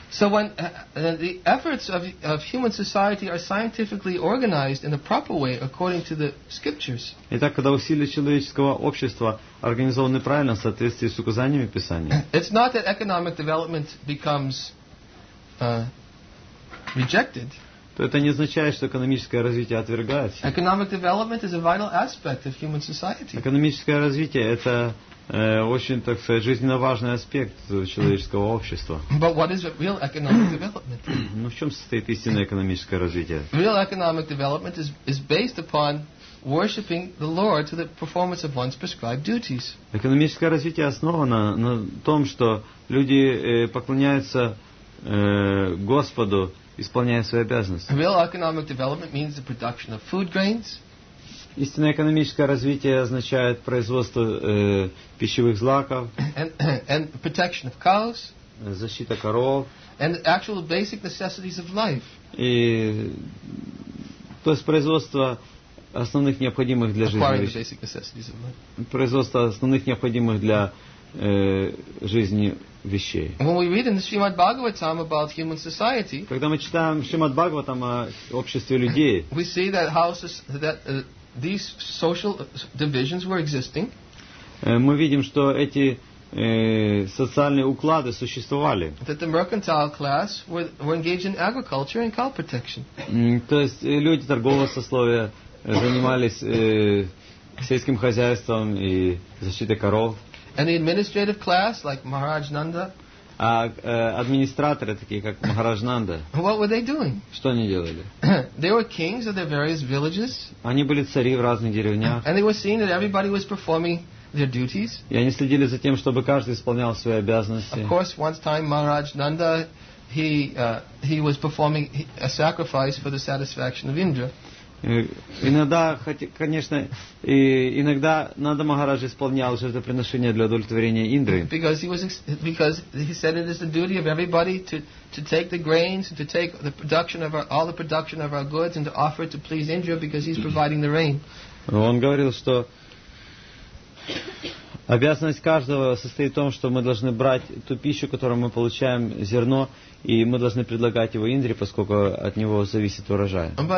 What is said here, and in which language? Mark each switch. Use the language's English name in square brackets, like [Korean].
[English] So when the efforts of human society are scientifically organized in a proper way according to the scriptures. [Russian] Итак, когда усилия человеческого общества организованы правильно в соответствии с указаниями Писания. [English] It's not that economic development becomes rejected. [Russian] То это не означает, что экономическое развитие отвергается. [English] Economic development is a vital aspect of human society. [Russian] Экономическое развитие – это очень, так сказать, жизненно важный аспект человеческого общества. [English] But what is real economic development? [Russian] Ну, в чем состоит истинное экономическое развитие? [English] Real economic development is based upon worshipping the Lord to the performance of one's prescribed duties. [Russian] Экономическое развитие основано на том, что люди поклоняются Господу, исполняя свои обязанности. [English] Real economic development means the production of food grains. [Russian] Истинное экономическое развитие означает производство пищевых злаков. [English] And protection of cows. [Russian] Защита коров. [English] And actual basic necessities of life. [Russian] И то есть производство основных необходимых для жизни. [English] Acquiring the basic necessities of life. [Russian] Производство основных необходимых для жизни вещей. [English] When we read in the Srimad Bhagavatam about human society, [Russian] когда мы читаем Шримад Бхагаватам о обществе людей, [English] we see that houses that these social divisions were existing. [Russian] Мы видим, что эти социальные уклады существовали. [English] That the mercantile class were engaged in agriculture and cow protection. [Russian] То есть люди торгового сословия занимались сельским хозяйством и защитой коров. [English] And the administrative class, like Maharaj Nanda. [Russian] А администраторы такие, как Махарадж Нанда. [English] What were they doing? [Russian] Что они делали? [English] They were kings of their various villages. [Russian] Они были цари в разных деревнях. [English] And they were seeing that everybody was performing their duties. [Russian] И они следили за тем, чтобы каждый исполнял свои обязанности. [English] Of course, one time Maharaj Nanda, he was performing a sacrifice for the satisfaction of Indra. [Russian] Иногда, конечно, иногда Нанда Махарадж исполнял жертвоприношение для удовлетворения Индры. [English] Because he said it is the duty of everybody to take the grains, to take the production of all the production of our goods and to offer it to please Indra because he's providing the rain. [Russian] Он говорил, что обязанность каждого состоит в том, что мы должны брать ту пищу, которую мы получаем, зерно, и мы должны предлагать его Индре, поскольку от него зависит урожай.